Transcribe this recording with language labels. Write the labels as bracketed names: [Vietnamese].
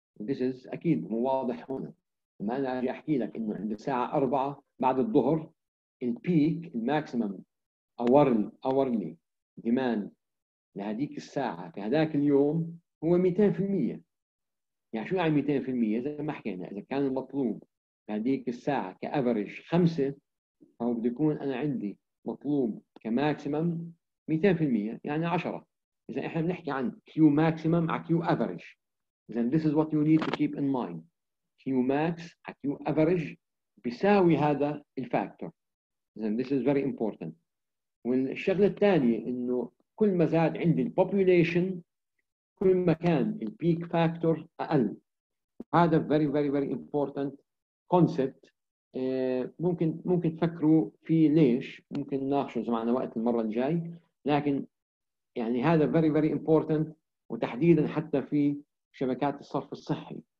[English] This is [Arabic] اكيد مو واضح هنا. لما انا اجي احكي لك انه عند الساعه 4 بعد الظهر البيك الماكسيمم اورلي ديماند لهذيك الساعه في هذاك اليوم هو 200%. يعني شو يعني 200%؟ زي ما حكينا اذا كان المطلوب هذيك الساعه كافرج 5 فهو بده يكون انا عندي مطلوب كماكسيمم 200%، يعني 10. اذا احنا بنحكي عن كيو ماكسيمم على كيو افرج، [English] then this is what you need to keep in mind. Q max at Q average [Arabic] بيساوي هذا الفاكتور. [English] Then this is very important. [Arabic] والشغلة الثانية إنه كل ما زاد عندي الـ population كل ما كان الـ peak factor أقل. هذا [English] very very very important concept. [Arabic] ممكن تفكروا فيه ليش، ممكن ناقشه معنا وقت المرة الجاي، لكن يعني هذا [English] very very important [Arabic] وتحديدا حتى في شبكات الصرف الصحي.